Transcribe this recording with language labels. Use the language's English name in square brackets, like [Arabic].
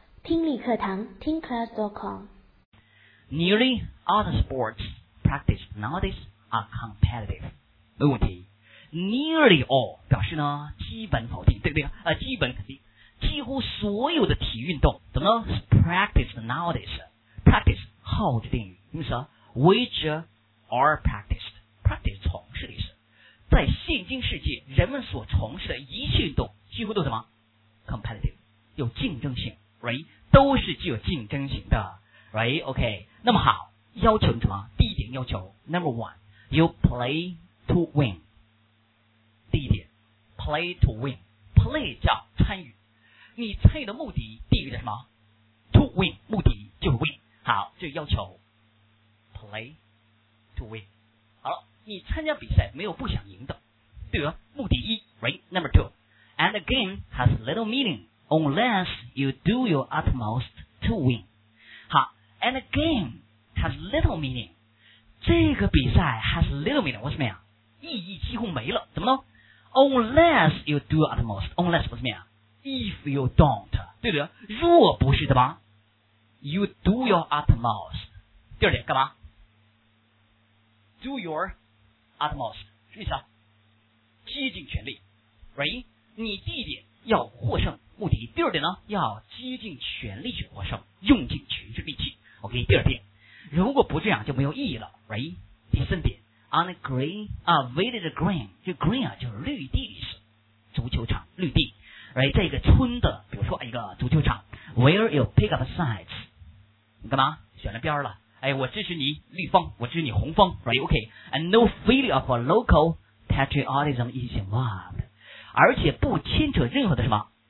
[Chinese] 听力课堂，听 class.com。 [English] Nearly all the sports practiced nowadays are competitive。 [Chinese] 没问题。 [English] Nearly all [Chinese] 表示呢，基本否定，对不对？基本肯定。几乎所有的体育运动怎么呢 ？ [English] Practiced nowadays。 [Chinese] Practice 后置定语，意思啊 ， [English] which are practiced。 [Chinese] Practice 从事的意思。在现今世界，人们所从事的一切运动几乎都什么 ？Competitive， 有竞争性。 Right， 都是具有竞争性的 ，Right，OK、okay。那么好，要求什么？第一点要求 [English] ，Number one，you play to win。 [Chinese] 第一点 ，play to win，play 叫参与，你参与的目的，第一个叫什么 ？ [English] To win， [Chinese] 目的就是 win。好，这个要求 ， [English] play to win。 [Chinese] 好了，你参加比赛没有不想赢的，对吧？目的一 [English] ，Right，Number two，and the game has little meaning。 Unless you do your utmost to win. 好 ,and the game has little meaning. [Chinese] 这个比赛 [English] has little meaning, [Chinese] 为什么呀意义几乎没了怎么了 ? [English] Unless you do your utmost, [Chinese] unless, 为什么呀 ? [English] If you don't, [Chinese] 对不对若不是的吧 ? [English] You do your utmost. [Chinese] 第二点干嘛 ? [English] Do your utmost. [Chinese] 什么意思啊接近全力 ,Right? 你第一点要获胜。目的第二点呢要竭尽全力去获胜用尽全身力气 OK 第二点如果不这样就没有意义了 Right 第三点 [English] On a green village green [Chinese] 这 green 啊就是绿地的意思足球场绿地 Right 在一个村的比如说一个足球场 [English] Where you pick up sides [Chinese] 你干嘛选了边了哎，我支持你绿方我支持你红方 Right OK [English] And no failure of a local patriotism is involved [Chinese] 而且不牵扯任何的什么